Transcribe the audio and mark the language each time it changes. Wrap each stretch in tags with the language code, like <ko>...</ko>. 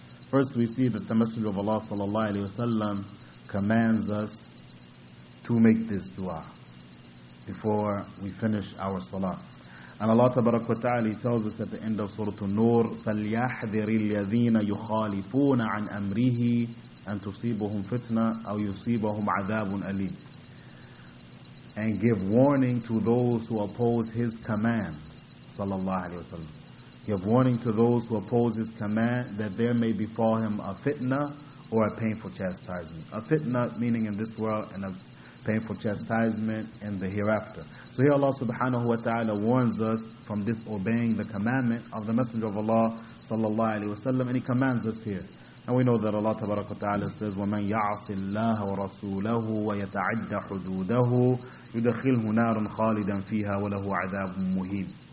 <en>First we see that the Messenger of Allah sallallahu alaihi wasallam commands us to make this dua before we finish our salah. And Allah tabarak wa ta'ala, He tells us at the end of Surah An-Nur,</en> <ar>فَلْيَحْذِرِ الَّذِينَ يُخَالِفُونَ عَنْ أَمْرِهِ أن تصيبهم فتنة أو يصيبهم عذاب أليم.</ar> <en>And give warning to those who oppose his command, sallallahu alayhi wa sallam. Give warning to those who oppose his command that there may befall him a fitna or a painful chastisement. A fitna meaning in this world and a painful chastisement in the hereafter. So here Allah subhanahu wa ta'ala warns us from disobeying the commandment of the Messenger of Allah sallallahu alayhi wa sallam, and he commands us here. And we know that Allah tabaraka wa ta'ala says,</en> <ar>وَمَنْ يَعْصِ اللَّهَ وَرَسُولَهُ وَيَتَعِدَّ حُدُودَهُ يُدَخِلْهُ نَارٌ خَالِدًا فِيهَا وَلَهُ عَذَابٌ مُهِينٌ.</ar>